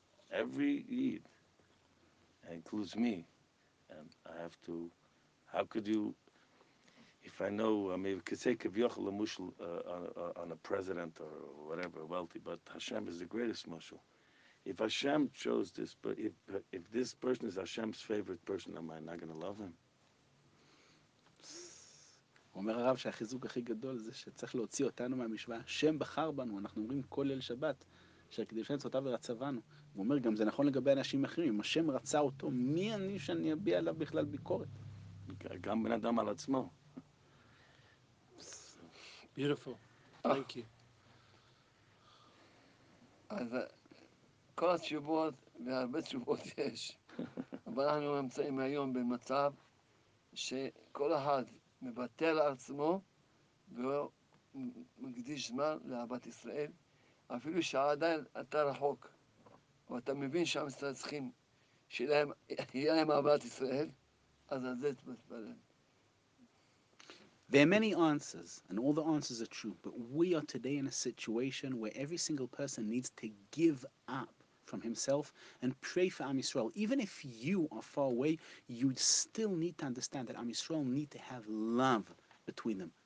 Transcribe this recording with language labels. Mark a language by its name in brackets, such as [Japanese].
[English] Every Yid, includes me, and I have to, how could you, if I know, I mean, we could say kevyochel l'mushel on a president or whatever, wealthy, but Hashem is the greatest mushel. If Hashem chose this, but if this person is Hashem's favorite person, am I not going to love him? [Hebrew] אומר הרב שהחיזוק הכי גדול זה שצריך להוציא אותנו מהמשוואה. השם בחר בנו, אנחנו אומרים כל ליל שבת, שכדי לשנת אותה ורצבנו. הוא אומר גם זה נכון לגבי אנשים אחרים, אם השם רצה אותו, מי אני שאני אביע עליו בכלל ביקורת? גם בן אדם על עצמו. [English] Beautiful. Thank you. [Hebrew] אז כל התשובות והרבה תשובות יש, אבל אנחנו נמצאים היום במצב שכל אחד מבטל עצמו ומקדיש זמן לאהבת ישראל, אפילו שעדיין אתה רחוק, ואתה מבין שהם צריכים שיהיה להם אהבת ישראל, אז על זה תתפלל. [English] There are many answers, and all the answers are true, but we are today in a situation where every single person needs to give up from himself and pray for Am Yisrael. Even if you are far away, you still need to understand that Am Yisrael need to have love between them.